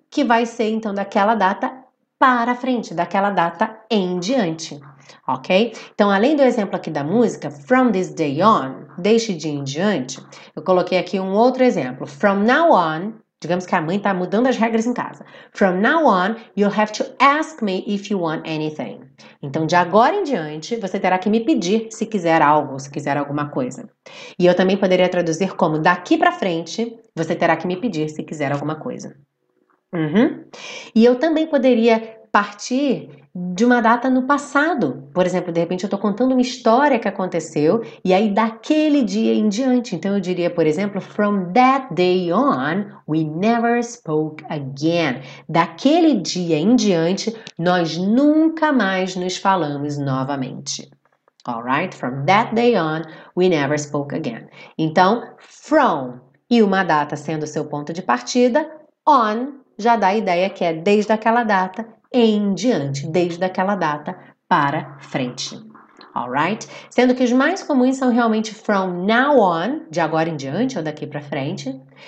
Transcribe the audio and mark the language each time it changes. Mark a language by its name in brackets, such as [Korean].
[Portuguese] que vai ser, então, daquela data para frente, daquela data em diante, ok? Então, além do exemplo aqui da música, [English] from this day on, [Portuguese] deste dia em diante, eu coloquei aqui um outro exemplo. [English] From now on, [Portuguese] digamos que a mãe está mudando as regras em casa. [English] From now on, you'll have to ask me if you want anything. [Portuguese] Então, de agora em diante, você terá que me pedir se quiser algo, se quiser alguma coisa. E eu também poderia traduzir como daqui para frente, você terá que me pedir se quiser alguma coisa. Uhum. E eu também poderia partir de uma data no passado. Por exemplo, de repente eu estou contando uma história que aconteceu e aí daquele dia em diante. Então eu diria, por exemplo, [English] from that day on, we never spoke again. [Portuguese] Daquele dia em diante, nós nunca mais nos falamos novamente. [English] Alright? From that day on, we never spoke again. [Portuguese] Então, from e uma data sendo seu ponto de partida, on já dá a ideia que é desde aquela data em diante, desde aquela data para frente. Alright? Sendo que os mais comuns são realmente [English] from now on, [Portuguese] de agora em diante ou daqui para frente.